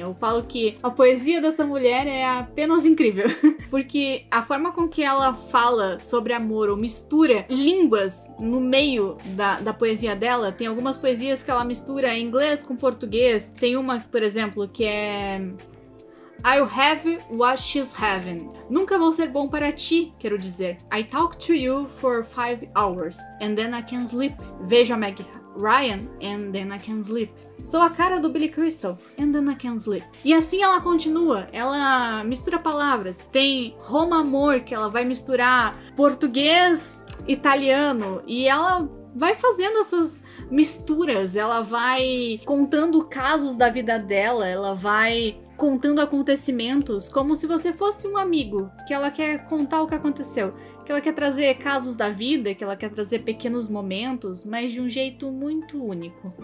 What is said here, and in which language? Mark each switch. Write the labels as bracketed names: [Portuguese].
[Portuguese] Eu falo que a poesia dessa mulher é apenas incrível. Porque a forma com que ela fala sobre amor, ou mistura línguas no meio da poesia dela, tem algumas poesias que ela mistura inglês com português. Tem uma, por exemplo, que é... [English] I'll have what she's having. [Portuguese] Nunca vou ser bom para ti, quero dizer. [English] I talk to you for 5 hours, and then I can sleep. [Portuguese] Vejo a Meg Ryan, [English] and then I can sleep. [Portuguese] Sou a cara do Billy Crystal, [English] and then I can sleep. [Portuguese] E assim ela continua, ela mistura palavras. Tem Roma Amor, que ela vai misturar português, italiano, e ela vai fazendo essas misturas, ela vai contando casos da vida dela, ela vai contando acontecimentos como se você fosse um amigo, que ela quer contar o que aconteceu, que ela quer trazer casos da vida, que ela quer trazer pequenos momentos, mas de um jeito muito único.